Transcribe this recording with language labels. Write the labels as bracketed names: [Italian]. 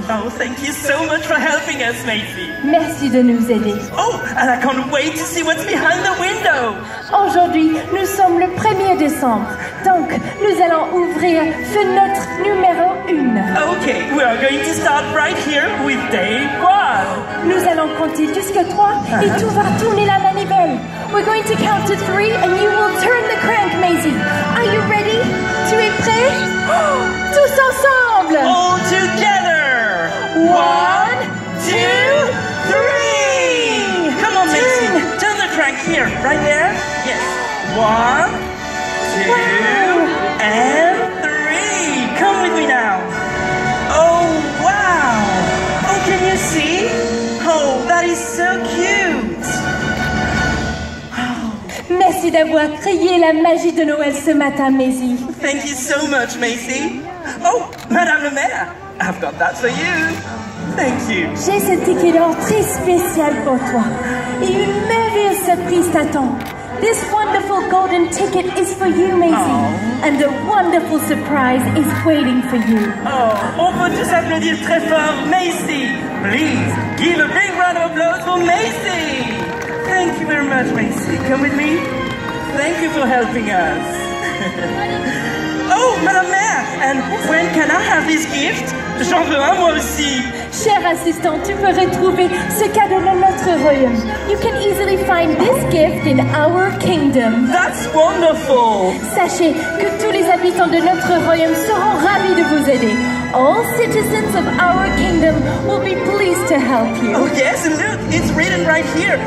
[English] Oh, thank you so much for helping us, Maisie. [French] Merci de nous aider. [English] Oh, and I can't wait to see what's behind the window. [French] Aujourd'hui, nous sommes le 1er décembre. Donc, nous allons ouvrir fenêtre numéro 1. [English] Okay, we are going to start right here with day 1. [French] Nous allons compter jusqu'à 3 et tout va tourner la manivelle. [English] We're going to count to 3 and you will turn the crank, Maisie. Are you ready? [French] Tu es prêt? Tous ensemble! [English] All together! 1, 2, 3! Come on, Maisie! Turn the crank here, right there? Yes. 1, 2, and 3! Come with me now! Oh, wow! Oh, can you see? Oh, that is so cute! [French] Merci d'avoir créé la magie de Noël ce matin, Maisie. [English] Thank you so much, Maisie. Oh, Madame Le Maire, I've got that for you. Thank you. [French] J'ai ce ticket d'or très spécial pour toi. Et une merveilleuse surprise t'attend. [English] This wonderful golden ticket is for you, Maisie. Oh. And a wonderful surprise is waiting for you. [French] Oh, on peut tous applaudir très fort, Maisie. [English] Please, give a big round of applause for Maisie. Thank you very much, Maisie. Come with me. Thank you for helping us. Oh, Madame Mère, and when can I have this gift? [French] J'en veux un, moi aussi. Cher assistant, tu peux retrouver ce cadeau dans notre royaume. [English] You can easily find this gift in our kingdom. That's wonderful. [French] Sachez que tous les habitants de notre royaume seront ravis de vous aider. [English] All citizens of our kingdom will be pleased to help you. Oh yes, and look, it's written right here.